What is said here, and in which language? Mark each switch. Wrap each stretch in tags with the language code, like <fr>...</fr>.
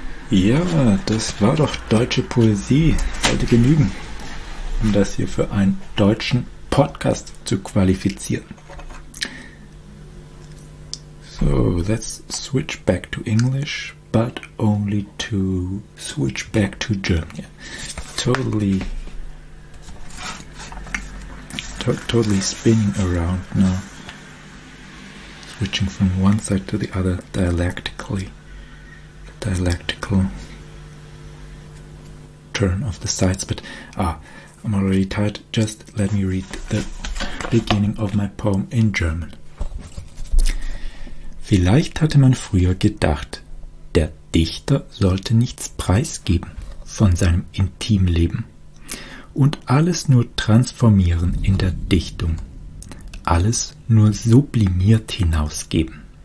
<de>Ja, das war doch deutsche Poesie. Sollte genügen, um das hier für einen deutschen Podcast zu qualifizieren.</de> <en>So, let's switch back to English, but only to switch back to Germany. Totally spinning around now. Switching from one side to the other dialectically. Dialectical turn of the sides, but I'm already tired. Just let me read the beginning of my poem in German.</en> <de>Vielleicht hatte man früher gedacht, der Dichter sollte nichts preisgeben von seinem Intimleben und alles nur transformieren in der Dichtung, alles nur sublimiert hinausgeben.</de>